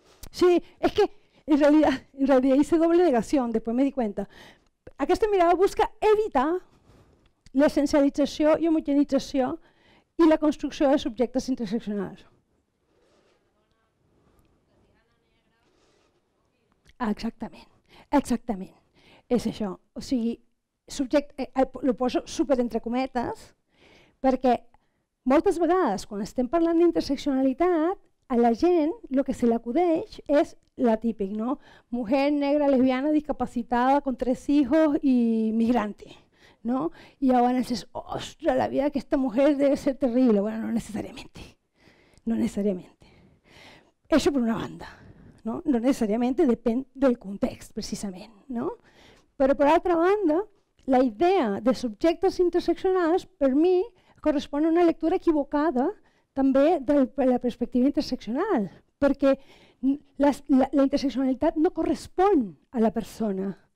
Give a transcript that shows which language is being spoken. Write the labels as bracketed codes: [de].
[es] Sí, es que en realidad hice doble negación, después me di cuenta. [ca] Aquesta mirada busca evitar l'essencialització i homogenització i la construcció de subjectes interseccionals. Exactament, exactament. És això. O sigui, ho poso super entre cometes, perquè moltes vegades quan estem parlant d'interseccionalitat, a la gent el que se l'acudeix és la típic, no? [es] Mujer, negra, lesbiana, discapacitada, con 3 hijos y migrante, no? [ca] I llavors és, ostres, la vida d'aquesta mujer [es] debe ser terrible. [ca] Bueno, no necessàriament, no necessàriament. Això per una banda, no? No necessàriament, depèn del context, precisament, no? Però per altra banda, la idea de subjectes interseccionals, per mi, correspon a una lectura equivocada també de la perspectiva interseccional, perquè la interseccionalitat no correspon a la persona.